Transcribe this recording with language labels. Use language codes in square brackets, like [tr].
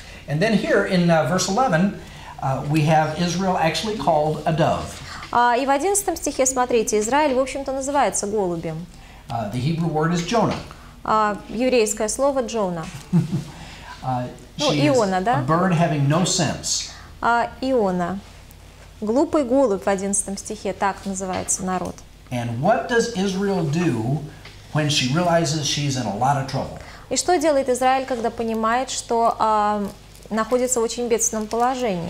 [en] And then here in verse 11, we have Israel actually called a dove. [ru] И в 11 стихе, смотрите, Израиль, в общем-то, называется голубем. [en] The Hebrew word is Jonah. [ru] Еврейское слово Джона. Иона, да? [en] A bird having no sense. [ru] Иона. Глупый голубь в 11 стихе, так называется народ. And what does Israel do when she realizes she's in a lot of trouble? И что делает Израиль, когда понимает, что находится в очень бедственном положении?